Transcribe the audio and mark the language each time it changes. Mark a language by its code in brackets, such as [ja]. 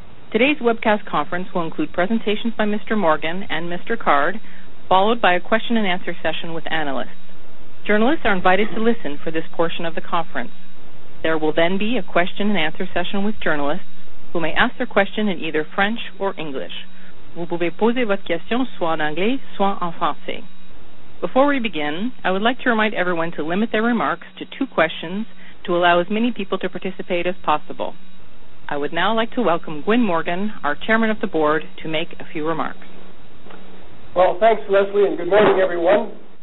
[en] Today's webcast conference will include presentations by Mr. Morgan and Mr. Card, followed by a question and answer session with analysts. Journalists are invited to listen for this portion of the conference. There will then be a question and answer session with journalists who may ask their question in either French or English. [fr] Vous pouvez poser votre question soit en anglais, soit en français. [en] Before we begin, I would like to remind everyone to limit their remarks to two questions to allow as many people to participate as possible. I would now like to welcome Gwynne Morgan, our Chairman of the Board, to make a few remarks. Well, thanks, Leslie, and good morning, everyone.